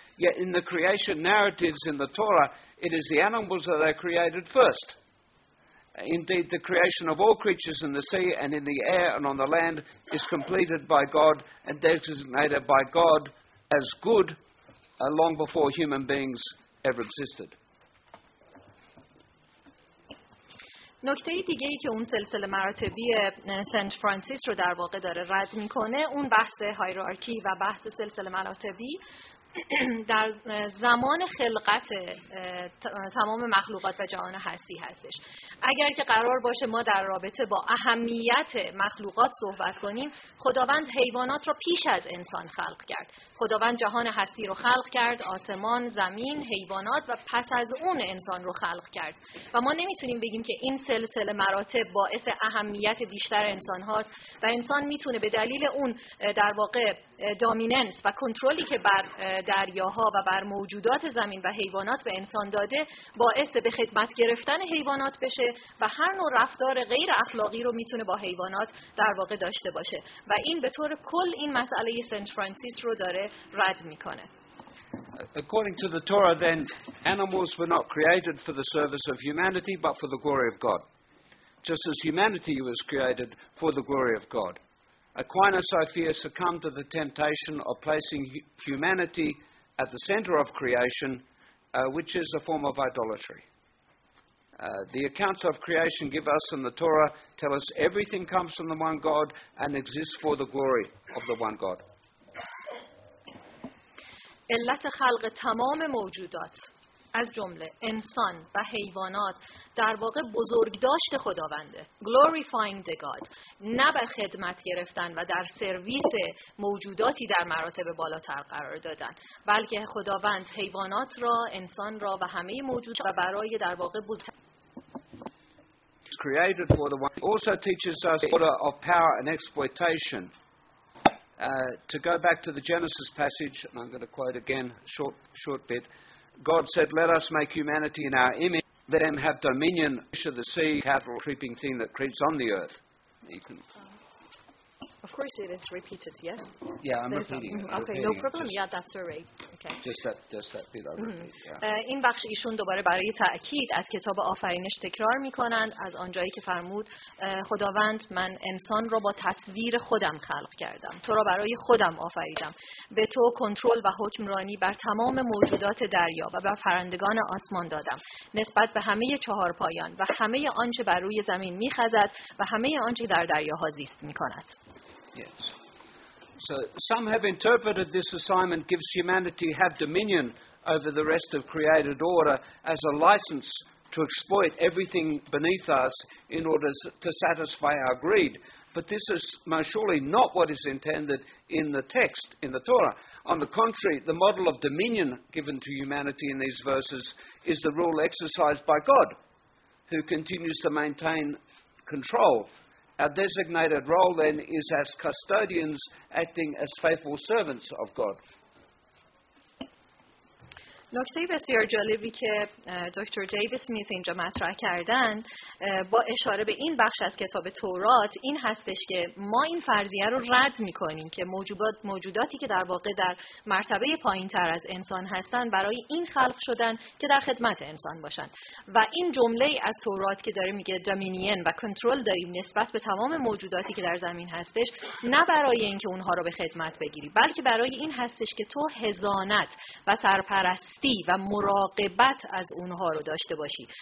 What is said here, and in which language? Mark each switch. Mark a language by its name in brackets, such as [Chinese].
[English] Yet in the creation narratives in the Torah, it is the animals that are created first. Indeed, the creation of all creatures in the sea and in the air and on the land is completed by God and designated by God as good long before human beings ever existed. [Persian] نکته دیگه‌ای که اون سلسله مراتبی سنت فرانسیس رو در واقع داره رد می‌کنه اون بحث هایرارکی و بحث سلسله مراتبی در زمان خلقت تمام مخلوقات و جهان هستی هستش. اگر که قرار باشه ما در رابطه با اهمیت مخلوقات صحبت کنیم، خداوند حیوانات رو پیش از انسان خلق کرد. خداوند جهان هستی رو خلق کرد، آسمان، زمین، حیوانات و پس از اون انسان رو خلق کرد. و ما نمیتونیم بگیم که این سلسله مراتب باعث اهمیت بیشتر انسان هاست و انسان میتونه به دلیل اون در واقع دامیننس و کنترلی که بر دریاها و بر موجودات زمین و حیوانات به انسان داده باعث به خدمت گرفتن حیوانات بشه و هر نوع رفتار غیر اخلاقی رو میتونه با حیوانات در واقع داشته باشه و این به طور کل این مسئله سنت فرانسیس رو داره رد میکنه. [English] According to the Torah then, animals were not created for the service of humanity but for the glory of God. Just as humanity was created for the glory of God. Aquinas, I fear, succumbed to the temptation of placing humanity at the center of creation, which is a form of idolatry. The accounts of creation give us in the Torah tell us everything comes from the one God and exists for the glory of the one God. [Persian] علت خلق تمام موجودات از جمله انسان و حیوانات در واقع بزرگ داشت خداونده، [English] glorifying the God، [Persian] نه به خدمت گرفتن و در سرویس موجوداتی در مراتب بالاتر قرار دادن، بلکه خداوند حیوانات را، انسان را و همه موجودات و برای در واقع [English] created for the one. Also teaches us the order of power and exploitation. To go back to the Genesis passage, and I'm going to quote again short bit. God said, let us make humanity in our image, let them have dominion over the sea, cattle, creeping thing that creeps on the earth. Of course it is repeated, yes? Yeah, I'm repeating it. Okay, no problem. Yeah, that's all right. Okay. Just that bit I'll repeat. [Persian] این بخش ایشون دوباره برای تأکید از کتاب آفرینش تکرار می کنند از آنجایی که فرمود خداوند من انسان را با تصویر خودم خلق کردم. تو را برای خودم آفریدم. به تو کنترل و حکمرانی بر تمام موجودات دریا و بر پرندگان آسمان دادم. نسبت به همه چهار پایان و همه آنچه بر روی زمین می خزد و همه آنچه در دریاها زیست می کند. [English] Yes. So some have interpreted this assignment gives humanity have dominion over the rest of created order as a license to exploit everything beneath us in order to satisfy our greed. But this is most surely not what is intended in the text, in the Torah. On the contrary, the model of dominion given to humanity in these verses is the rule exercised by God, who continues to maintain control. Our designated role then is as custodians acting as faithful servants of God. [Persian] نکته بسیار جالبی که دکتر دیویس میت اینجا مطرح کردن با اشاره به این بخش از کتاب تورات این هستش که ما این فرضیه رو رد میکنیم که موجوداتی که در واقع در مرتبه پایین تر از انسان هستن برای این خلق شدن که در خدمت انسان باشن و این جمله از تورات که داره میگه دامینین و کنترل داریم نسبت به تمام موجوداتی که در زمین هستش نه برای اینکه اونها رو به خدمت بگیری بلکه برای این هستش که تو حضانت و سرپرست و مراقبت از اونها رو داشته باشی.